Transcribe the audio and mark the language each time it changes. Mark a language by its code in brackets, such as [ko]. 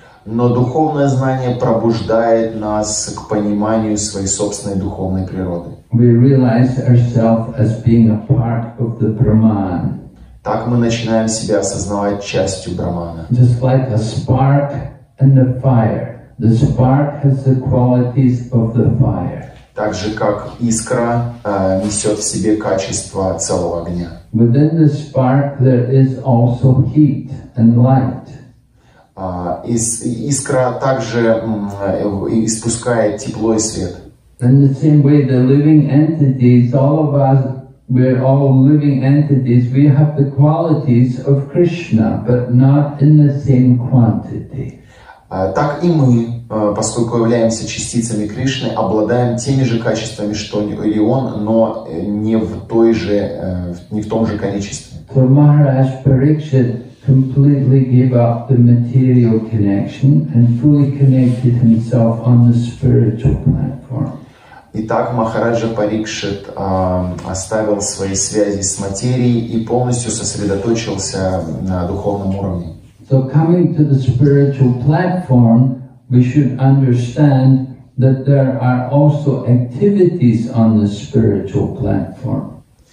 [ru] Но духовное знание пробуждает нас к пониманию своей собственной духовной природы. [en] We realize ourselves as being a part of the Brahman. [ru] Так мы начинаем себя осознавать частью Брахмана. [en] Just like a spark and the fire. The spark has the qualities of the fire. [ru] Так же, как искра несет в себе качество целого огня. [en] Within the spark there is also heat and light. [ru] Искра также испускает тепло и свет. [en] In the same way, the living entities, all of us, we are all living entities. We have the qualities of Krishna, but not in the same quantity. [ru] Так и мы, поскольку являемся частицами Кришны, обладаем теми же качествами, что и он, но не в той же, не в том же количестве. [en] So Maharaj Parikshit completely gave up the material connection and fully connected himself on the spiritual platform. [ru] Итак, Махараджа Парикшит оставил свои связи с материей и полностью сосредоточился на духовном уровне. [en] So coming to the spiritual platform, we should understand that there are also activities on the spiritual platform.